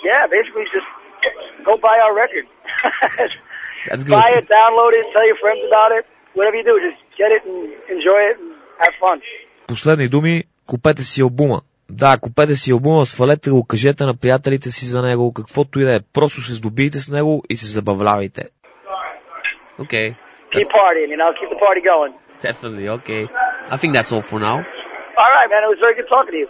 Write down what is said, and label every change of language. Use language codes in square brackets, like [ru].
[en] Basically just go buy our record. That's good. Buy it, download it, tell your friends about it. Whatever you do, just get it and enjoy it and have fun. [bg] Последни думи, купете си албума. Да, купете си албума, свалете го, кажете на приятелите си за него, каквото и да е. Просто се здобийте с него и се забавлявайте. [en] Okay. Keep partying, you know, keep the party going. Definitely, okay. I think that's all for now. All right, man, it was very good talking to you.